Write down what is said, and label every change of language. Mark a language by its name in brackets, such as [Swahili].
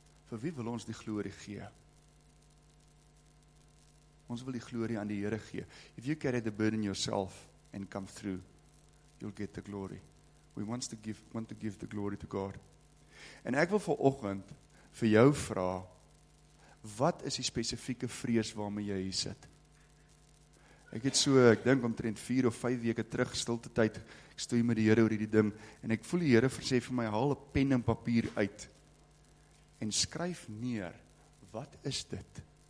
[Afrikaans] Vir wie wil ons die glorie gee? Ons wil die glorie aan die Here gee. [English] If you carry the burden yourself and come through, you'll get the glory. We want to give the glory to God. [Afrikaans] En ek wil vanoggend vir jou vra, wat is die spesifieke vrees waarmee jy hier sit? Ek het so, ek dink omtrent 4 of 5 weke terug stilte tyd, ek stoei met die Here oor hierdie ding en ek voel die Here sê vir my, haal 'n pen en papier uit en skryf neer, wat is dit?